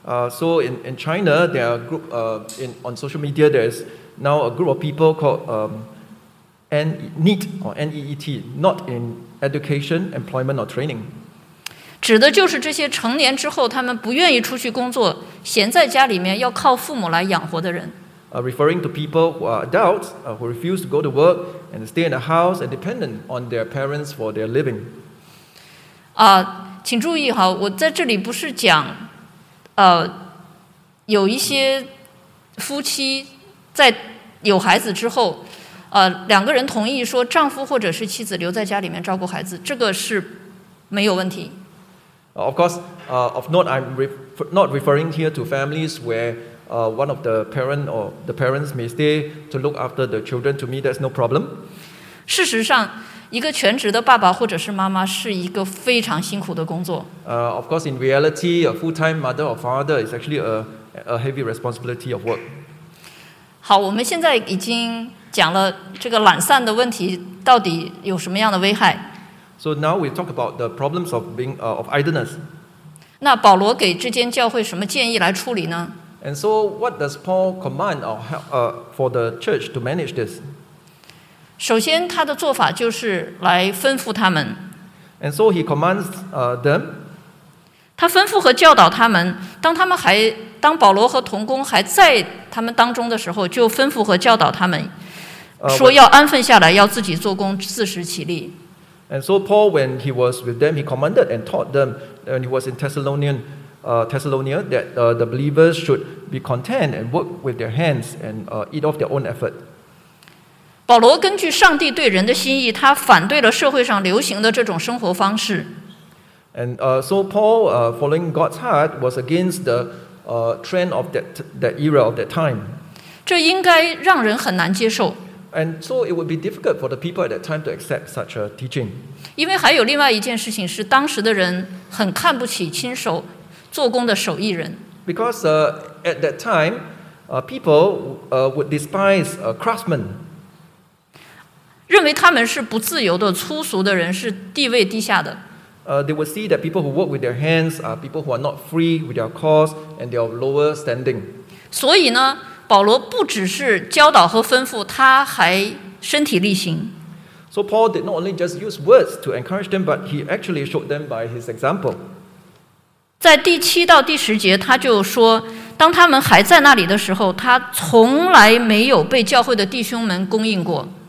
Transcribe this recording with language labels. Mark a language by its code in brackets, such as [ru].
[en] So in China, there are group on social media, there is now a group of people called NEET or NEET, not in education, employment or training. [zh] 指的就是这些成年之后，他们不愿意出去工作，闲在家里面要靠父母来养活的人。 [en] Referring to people who are adults who refuse to go to work and stay in a house and dependent on their parents for their living. [zh] 请注意哈，我在这里不是讲，有一些夫妻在有孩子之后，两个人同意说丈夫或者是妻子留在家里面照顾孩子，这个是没有问题。 [en] Of course, of note, I'm not referring here to families where one of the parent or the parents may stay to look after the children. To me, that's no problem. [zh] 事实上，一个全职的爸爸或者是妈妈是一个非常辛苦的工作。 [en] Of course, in reality, a full-time mother or father is actually a heavy responsibility of work. [zh] 好，我们现在已经讲了这个懒散的问题到底有什么样的危害。 [en] So now we talk about the problems of being of idleness. [zh] 那保罗给这间教会什么建议来处理呢？ [en] And so, what does Paul command or help, for the church to manage this? [zh] 首先，他的做法就是来吩咐他们。 [en] And so he commands them. [zh] 他吩咐和教导他们。当保罗和同工还在他们当中的时候，就吩咐和教导他们，说要安分下来，要自己做工，自食其力。 [en] And so Paul, when he was with them, he commanded and taught them, and he was in Thessalonia, that the believers should be content and work with their hands and eat off their own effort. [zh] 保罗根据上帝对人的心意，他反对了社会上流行的这种生活方式。 [en] And so Paul, following God's heart, was against the trend of that era of that time. [zh] 这应该让人很难接受。 [en] And so it would be difficult for the people at that time to accept such a teaching. [zh] 因为还有另外一件事情是当时的人很看不起亲手做工的手艺人。 [en] Because at that time, people would despise craftsmen. [zh] 认为他们是不自由的、粗俗的人，是地位低下的。 [en] They would see that people who work with their hands are people who are not free with their cause and they are lower standing. [zh] 所以呢，保罗不只是教导和吩咐，他还身体力行。 [en] So Paul did not only just use words to encourage them, but he actually showed them by his example. [zh] 在第七到第十节，他就说，当他们还在那里的时候，他从来没有被教会的弟兄们供应过。